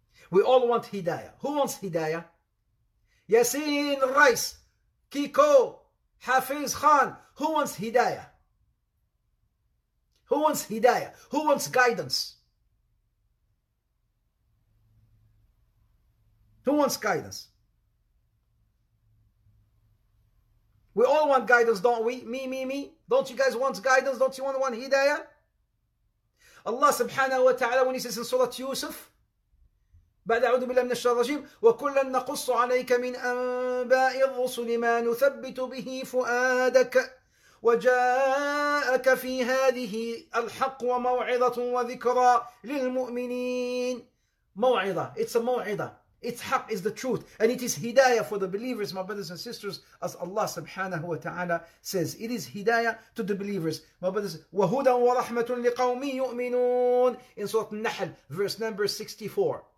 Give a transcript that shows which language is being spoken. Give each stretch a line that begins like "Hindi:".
English: We all want hidayah. Who wants hidayah? Yasin Rice, Kiko, Hafiz Khan, who wants hidayah? Who wants hidayah? Who wants guidance? Who wants guidance? We all want guidance, don't we? Me. Don't you guys want guidance? Don't you want hidayah?
Arabic: Allah subhanahu wa ta'ala,
English: when he says in Surah Yusuf,
Arabic: بعد أعوذ بالله من الشر الرجيم وكلا نقص عليك من أنباء الرسل ما نثبت به فؤادك وجاءك في هذه الحق وموعظة وذكرى للمؤمنين.
English: موعظة, it's a موعظة, it's حق, is the truth, and it is hidayah for the believers, my brothers and sisters, as Allah subhanahu wa ta'ala says, it is hidayah to the believers, my brothers.
Arabic: وهدى ورحمة لقوم يؤمنون,
English: in Surah Nahl, verse number 64.